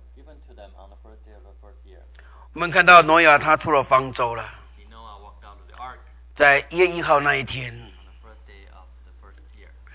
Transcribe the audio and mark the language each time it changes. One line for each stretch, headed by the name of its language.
English: given to them on the first day of the first year.
Chinese: 我们看到挪亚他出了方舟了。
English: Noah walked out of the ark.
Chinese: 在一月一号那一天。
English: On the first day of the first year.